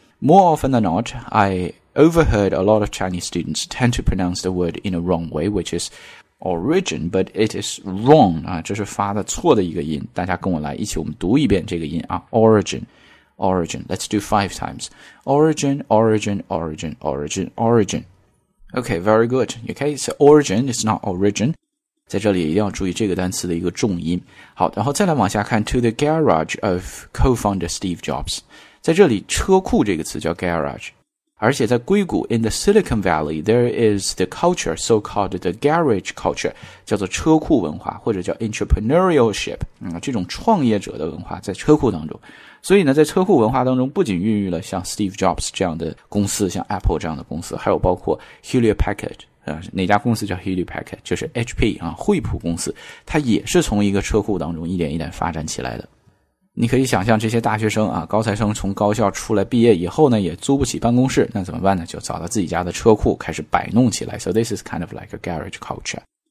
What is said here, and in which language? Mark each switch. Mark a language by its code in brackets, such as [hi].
[en] More often than not, I overheard a lot of Chinese students tend to pronounce the word in a wrong way, which is origin, but it is wrong, [zh] 这是发的错的一个音，大家跟我来一起我们读一遍这个音 [en] origin, origin, let's do 5 times, origin, origin, origin, origin, origin. OK, very good, OK, so origin is not origin. [zh] 在这里一定要注意这个单词的一个重音。好，然后再来往下看 [en] To the garage of co-founder Steve Jobs。 [zh] 在这里车库这个词叫 garage, 而且在硅谷 [en] In the Silicon Valley there is the culture so called the garage culture, [zh] 叫做车库文化或者叫 entrepreneurship, 这种创业者的文化在车库当中。所以呢，在车库文化当中不仅孕育了像 Steve Jobs 这样的公司，像 Apple 这样的公司，还有包括 Hewlett Packard,哪家公司叫 Hewlett Packard, 就是 HP, 惠普公司，它也是从一个车库当中一点一点发展起来的。你可以想象这些大学生高材生从高校出来毕业以后呢，也租不起办公室，那怎么办呢？就找到自己家的车库开始摆弄起来。 [en] So this is kind of like a garage culture.